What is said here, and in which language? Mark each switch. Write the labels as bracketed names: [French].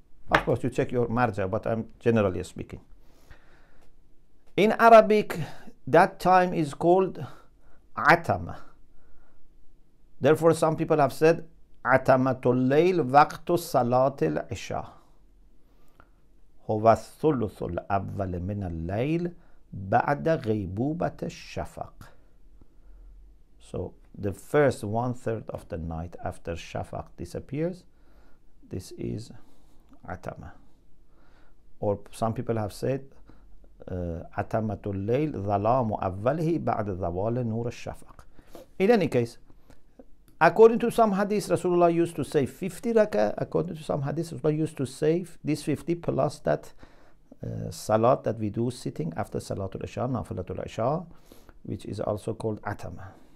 [English] Of course, you check your marja, but I'm generally speaking. In Arabic, that time is called Atama. Therefore, some people have said Atamatul Layl Waqtu Salatul Isha. [Arabic] هو الثلث الأول من الليل بعد غيبوبة الشفق. [English] So the first one third of the night after Shafaq disappears, this is Atama. Or some people have said [Arabic] أتمة الليل ظلام أوله بعد زوال نور الشفق. [English] In any case, according to some hadith, Rasulullah used to say 50 rak'ah. According to some hadith, Rasulullah used to say this 50 plus that salat that we do sitting after Salatul Isha, Nafilatul Isha, which is also called Atama.